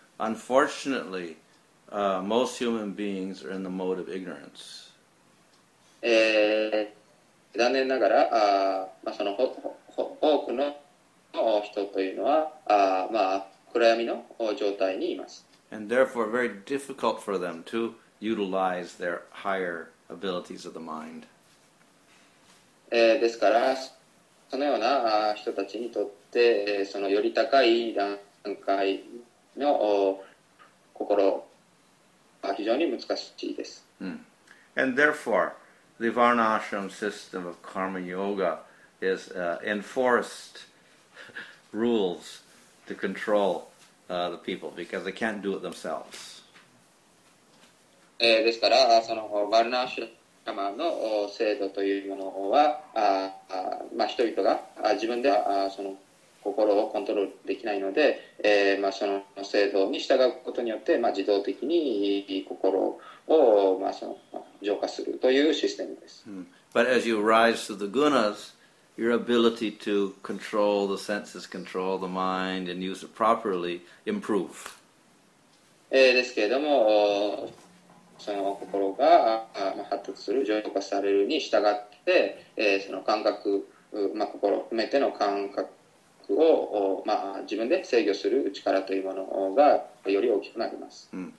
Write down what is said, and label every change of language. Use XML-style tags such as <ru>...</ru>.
<en>Unfortunately,most human beings are in the mode of ignorance.</en> <ja>残念ながら、その多くの人というのは、暗闇の状態にいます。</ja> <en>And therefore, very difficult for them to utilize their higher abilities of the mind.</en> <ja>ですから、そのような人たちにとって、そのより高い段階の心非常に難しいです。</ja> <en>And therefore, the Varnashram system of Karma Yoga is enforced rules to control the people because they can't do it themselves.</en> <ja>ですから、そのVarnashrama の制度というものは、人々が自分では心をコントロールできないので、その制度に従うことによって、自動的に心を、浄化するというシステムです。</ja> <en>But as you rise to the gunas, your ability to control the senses, control the mind, and use it properly improve.</en> <ja>ですけれども、その心が発達する、浄化されるに従って、その感覚、心を含めての感覚を自分で制御する力というものがより大きくなります。</ja>